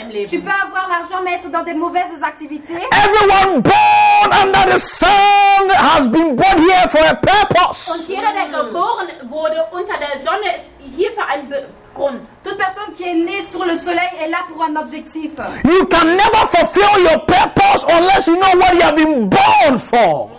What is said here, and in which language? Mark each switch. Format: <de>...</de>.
<fr>Tu peux avoir l'argent mais être dans des mauvaises activités.</fr> <en>Everyone born under the sun has been born here for a purpose.</en> <de>Und jeder, der geboren wurde unter der Sonne, ist hier für einen Grund.</de> <fr>Toute personne qui est née sur le soleil est là pour un objectif.</fr> <en>You can never fulfill your purpose unless you know what you have been born for.</en>